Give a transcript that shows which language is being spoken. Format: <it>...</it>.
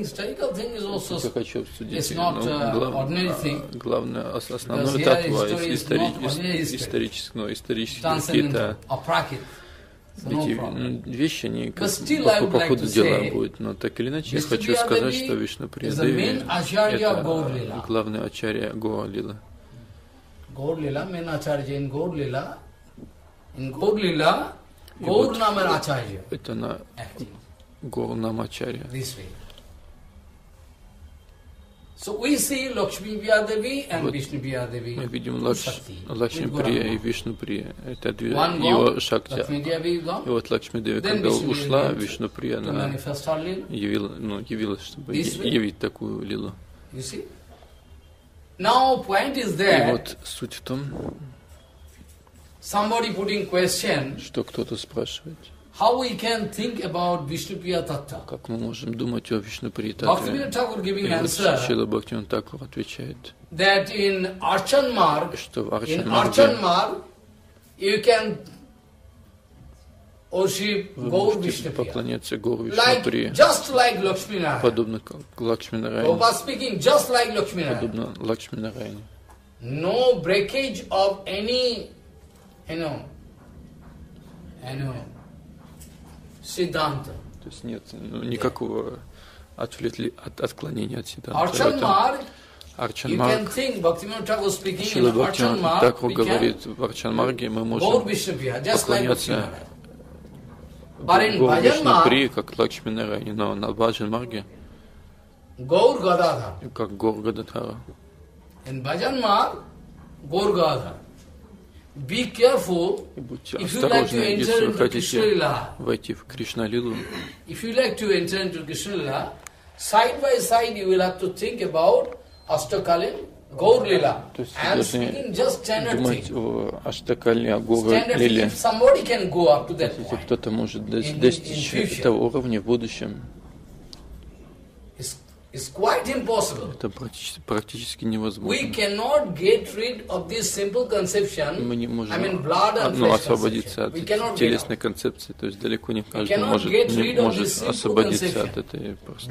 <en>Historical thing is also, it's not ordinary thing.</en> <ru>Главное, основное Татва, исторические, но исторические какие-то. Апракит. Эти вещи, они как, по ходу дела будут. Но так или иначе, я хочу сказать, что Вишну Приядеви – это главный ачарья Гаур-лила.</ru> <en>Гаур-лила, main ачарья in Гаур-лила. In Гаур-лила, Гаур-нама ачарья.</en> <ru>Это на Гаур-нама ачарья.</ru> <en>So we see Lakshmi Priyadevi and вот Vishnu Priyadevi.</en> <ru>Мы видим Лакшми Прия и Вишну Прия. Это две его шакти. И вот Лакшми Деви, когда ушла, Вишну Прия, она явила, ну, явилась, чтобы явить такую лилу.</ru> <en>Now point is there.</en> <ru>И вот суть в том.</ru> <en>Somebody putting question.</en> <ru>Что кто-то спрашивает.</ru> <en>How we can think about Vishnu Priya Tattva?</en> <ru>Как мы можем думать о Вишну Прия Таттве?</ru> <en>Бхактивинода Тхакур giving answer.</en> <ru>Шрила Бхактивинода Тхакур отвечает.</ru> <en>That in Archan Marg.</en> <ru>Что в</ru> <en>Archan Marg? In Archan Marg, you can worship Gaur Vishnu Priya.</en> <ru>Поклоняться Гору Вишну Прия.</ru> <en>Like just like Lakshmi Narayan.</en> <ru>Подобно как Лакшми Нараяне.</ru> <en>Prabhupada speaking just like Lakshmi Narayan.</en> <ru>Подобно Лакшми Нараяне.</ru> <en>No breakage of any, you know.</en> <ru>Сиддханта. То есть нет никакого отклонения от Сиддханта.</ru> <en>Archan Marg, you can think, Bhaktivinoda Thakur speaking, Archan Marg, we can go Vishnu Priya, just like Vishnu Priya. Archan Marg,</en> <ru>мы можем поклоняться Гору Вишну Прия, как Лакшми Нараяне, но на Бхаджан Марге, как Гор Гададхара.</ru> <en>In Bhajan Marg, Gor Gadadhara. Be careful.</en> <ru>Будьте осторожны, если вы хотите войти в Кришналилу.</ru> <en>If you like to enter into Кришналила, side by side you will have to think about Ashtakalin, Gaur-lila. And speaking just standard thing. Ashtakalin, Gaur-lila. If somebody can go up to that point.</en> <ru>Если кто-то может достичь этого уровня в будущем.</ru> <en>It's quite impossible.</en> <ru>Это практически невозможно.</ru> <en>We cannot get rid of this simple conception.</en> <ru>Мы не можем,</ru> <en>blood and</en> <ru>ну, освободиться от телесной концепции. То есть далеко не каждый может освободиться от этой просто</ru>